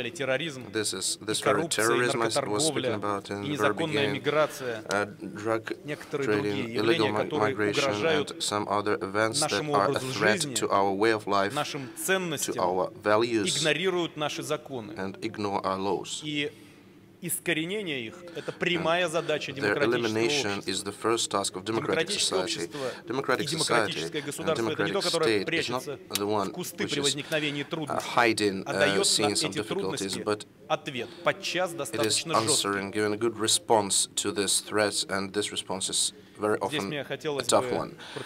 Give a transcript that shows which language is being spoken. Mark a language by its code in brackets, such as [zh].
[en] This very terrorism I was speaking about in the very beginning, drug trading, illegal migration, and some other events that are a threat to our way of life, to our values, and ignore our laws. [ru] Искоренение их – это прямая задача демократического общества. Демократическое государство – это не то, которое прячется в кусты при возникновении трудностей, а дает на эти трудности ответ, подчас достаточно жесткий. [en] Giving a good response to these threats, and this response is very often a tough one.